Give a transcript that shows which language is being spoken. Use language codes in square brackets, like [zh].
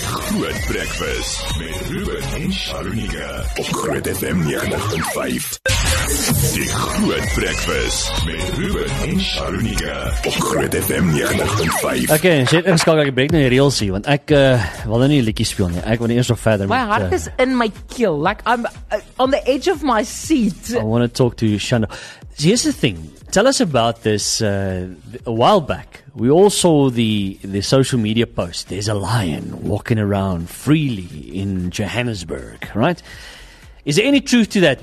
[af] Groot Breakfast met Ruben en Sharunika op Groot FM 95. Die Groot Breakfast met Ruben en Sharunika op Groot FM 95. Okay, en sit ingeskakel, ek breek nou die reels hier, want ek wil nou nie liedjie speel nie. Ek wil nie eers nog verder. My heart is in my keel. [en] Like, I'm on the edge of my seat. I want to talk to you, Shanda. Here's the thing. Tell us about this a while back. We all saw the social media post. There's a lion walking around freely in Johannesburg, right? Is there any truth to that?